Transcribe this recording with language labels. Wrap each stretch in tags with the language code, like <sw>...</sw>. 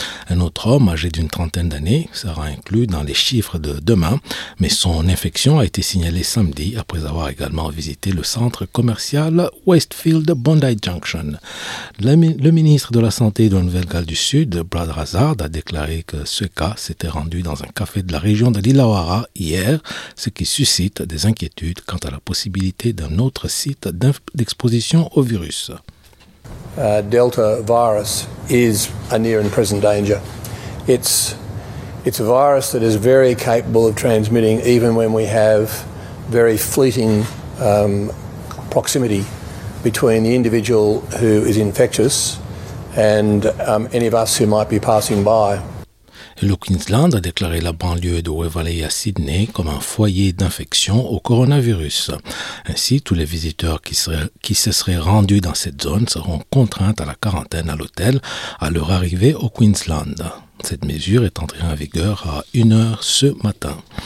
<fr>Un autre homme âgé d'une 30aine d'années sera inclus dans les chiffres de demain, mais son infection a été signalée samedi après avoir également visité le centre commercial Westfield Bondi Junction. Le ministre de la Santé de Nouvelle-Galles du Sud, Brad Hazard, a déclaré que ce cas s'était rendu dans un café de la région de l'Illawarra hier, ce qui suscite des inquiétudes quant à la possibilité d'un autre site d'exposition au virus.</fr> <en>Delta virus is a near and present danger. It's a virus that is very capable of transmitting even when we have very fleeting proximity between the individual who is infectious and any of us who might be passing by.</en> <fr>Le Queensland a déclaré la banlieue de Wavaley à Sydney comme un foyer d'infection au coronavirus. Ainsi, tous les visiteurs qui se seraient rendus dans cette zone seront contraints à la quarantaine à l'hôtel à leur arrivée au Queensland. Cette mesure est entrée en vigueur à 1h ce matin.</fr>